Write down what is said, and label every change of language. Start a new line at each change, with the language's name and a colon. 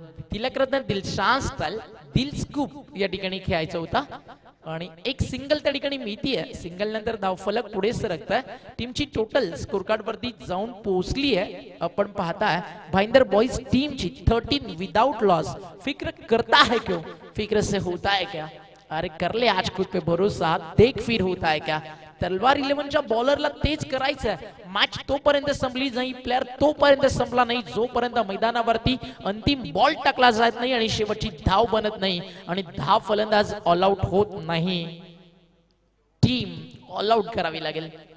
Marathi: तिलक रत्न दिलशांस चाल दिल स्कूप या ठिकाणी खेळायचा होता आणि एक सिंगल त्या ठिकाणी मिळतीय. सिंगल नंतर धावफलक पुढे सरकताय टीमची टोटल स्कोर कार्ड वरती जाऊन पोहोचली आहे. आपण पाहताय भाईंदर बॉईज टीमची 13 विदाउट लॉस.
Hindi: फिक्र करता है क्यों फिक्र से होता है क्या अरे कर ले आज खुद पे भरोसा देख फिर होता है क्या.
Marathi: तलवार 11 च्या बॉलरला तेज करायचं आहे. मॅच तोपर्यंत संपली नाही प्लेअर तोपर्यंत संपला नाही जोपर्यंत मैदानावरती अंतिम बॉल टाकला जात नाही आणि शेवटची धाव बनत नाही आणि धाव फलंदाज ऑल आउट होत नाही टीम ऑल आउट करावी लागेल.